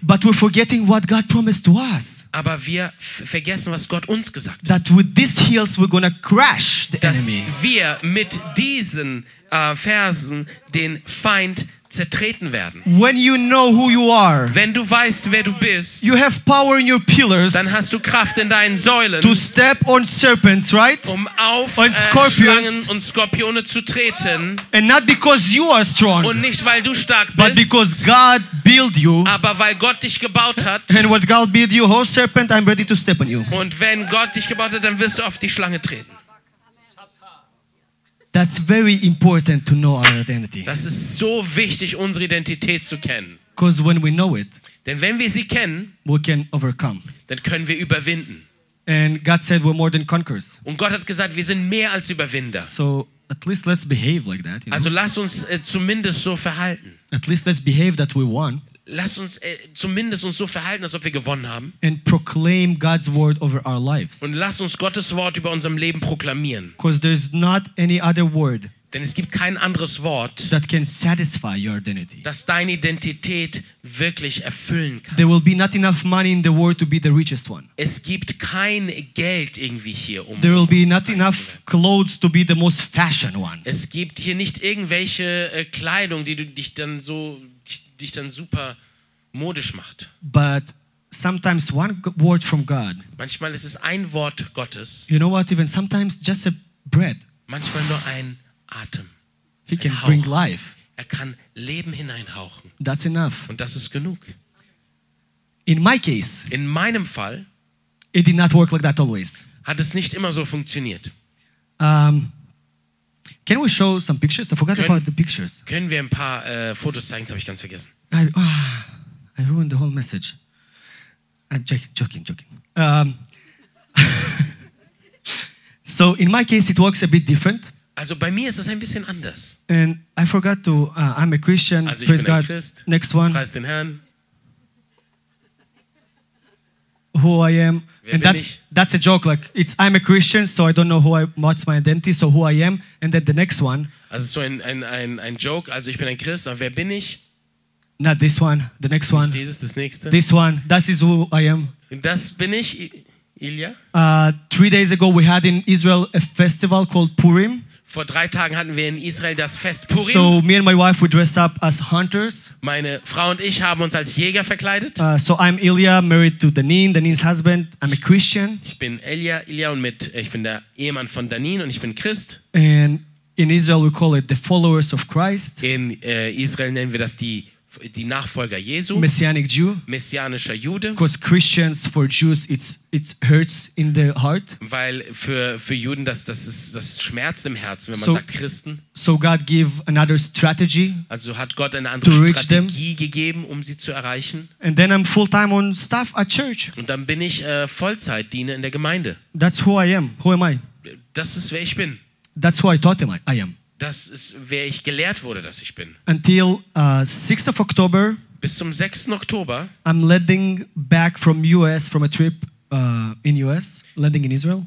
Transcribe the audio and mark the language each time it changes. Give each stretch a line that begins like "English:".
English: But we're forgetting what God promised to us.
German: Aber wir vergessen, was Gott uns gesagt hat.
English: That with these heels we're gonna crash the
German: Dass
English: enemy.
German: Wir mit diesen Versen den Feind zertreten werden.
English: When you know who you are,
German: wenn du weißt, wer du bist,
English: you have power in your pillars,
German: dann hast du Kraft in deinen Säulen,
English: to step on serpents, right?
German: Um auf und Schlangen und Skorpione zu treten.
English: And not because you are strong,
German: und nicht weil du stark bist,
English: but because God built you,
German: aber weil Gott dich gebaut hat.
English: And when God built you, oh serpent, I'm ready to step on you.
German: Und wenn Gott dich gebaut hat, dann wirst du auf die Schlange treten.
English: That's very important to know our identity.
German: Das ist so wichtig, unsere Identität zu kennen.
English: Because when we know it,
German: denn wenn wir sie kennen,
English: we can overcome.
German: Dann können wir überwinden.
English: And God said we're more than conquerors.
German: Und Gott hat gesagt, wir sind mehr als Überwinder.
English: So at least let's behave like that.
German: Also lass uns zumindest so verhalten.
English: At least let's behave that we won.
German: Lass uns zumindest uns so verhalten, als ob wir gewonnen haben.
English: And proclaim God's word over our lives.
German: Und lass uns Gottes Wort über unserem Leben proklamieren.
English: 'Cause there's not any other word.
German: Denn es gibt kein anderes Wort,
English: that can satisfy your identity.
German: Das deine Identität wirklich erfüllen kann.
English: There will be not enough money in the world to be the richest one.
German: Es gibt kein Geld irgendwie hier um.
English: There will be not enough clothes to be the most fashion one.
German: Es gibt hier nicht irgendwelche Kleidung, die du dich dann so dich dann super modisch macht.
English: But sometimes one word from God.
German: Manchmal ist es ein Wort Gottes.
English: You know what? Even sometimes just a breath.
German: Manchmal nur ein Atem.
English: He can bring life.
German: Er kann Leben hineinhauchen.
English: That's enough.
German: Und das ist genug.
English: In my case.
German: In meinem Fall.
English: It did not work like that always.
German: Hat es nicht immer so funktioniert.
English: Can we show some pictures? I forgot about the pictures.
German: Können wir ein paar Fotos zeigen? Das habe ich ganz vergessen.
English: I ruined the whole message. I'm joking. So in my case, it works a bit different.
German: Also bei mir ist das ein bisschen anders.
English: And I forgot to. I'm a Christian.
German: Also ich
English: praise
German: bin ein
English: God.
German: Christ.
English: Next one.
German: Preist den Herrn.
English: Who I am.
German: Wer
English: and that's a joke, like it's I'm a Christian, so I don't know what's my identity, so who I am, and then the next one.
German: Also so ein joke, also ich bin ein Christ, aber wer bin ich?
English: Not this one, the next one.
German: Nicht dieses, das nächste.
English: This one,
German: das ist
English: who I am.
German: Das bin ich, Ilya.
English: 3 days ago we had in Israel a festival called Purim.
German: Vor 3 Tagen hatten wir in Israel das Fest Purim.
English: So me and my wife we dress up as hunters.
German: Meine Frau und ich haben uns als Jäger verkleidet.
English: So I'm Ilya, married to Danine, Danine's husband. I'm a Christian.
German: Ich bin Ilya, Ilya und mit ich bin der Ehemann von Danine und ich bin Christ.
English: And in Israel we call it the followers of Christ.
German: In Israel nennen wir das die Nachfolger Jesu.
English: Messianic Jew.
German: Messianischer Jude.
English: Because Christians for Jews it hurts in the heart.
German: Weil für Juden das schmerzt im Herzen, wenn man sagt Christen.
English: So God gave another strategy.
German: Also hat Gott eine andere Strategie gegeben, um sie zu erreichen.
English: And then I'm full time on staff at church.
German: Und dann bin ich Vollzeit diene in der Gemeinde.
English: That's who I am. Who am I?
German: Das ist wer ich bin.
English: That's who I taught him I am.
German: Das ist, wer ich gelehrt wurde, dass ich bin.
English: Until 6th of October.
German: Bis zum 6. Oktober.
English: I'm landing back from US from a trip in US, landing in Israel.